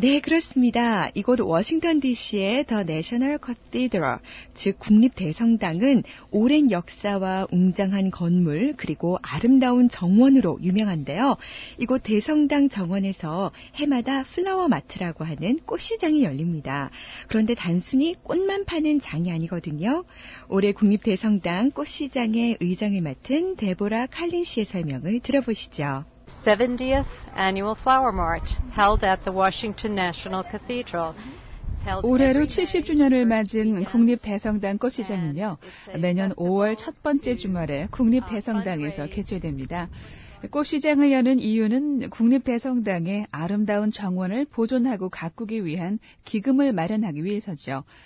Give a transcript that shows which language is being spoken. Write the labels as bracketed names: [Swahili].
[Korean] 네, 그렇습니다. 이곳 워싱턴 DC의 The National Cathedral, 즉 국립대성당은 오랜 역사와 웅장한 건물 그리고 아름다운 정원으로 유명한데요. 이곳 대성당 정원에서 해마다 플라워 마트라고 하는 꽃시장이 열립니다. 그런데 단순히 꽃만 파는 장이 아니거든요. 올해 국립대성당 꽃시장의 의장을 맡은 데보라 칼린 씨의 설명을 들어보시죠. [English] 70th Annual Flower March held at the Washington National Cathedral. [Korean] 올해로 70주년을 맞은 국립대성당 꽃시장은요, 매년 5월 첫 번째 주말에 국립대성당에서 개최됩니다. 꽃시장을 여는 이유는 국립대성당의 아름다운 정원을 보존하고 가꾸기 위한 기금을 마련하기 위해서죠.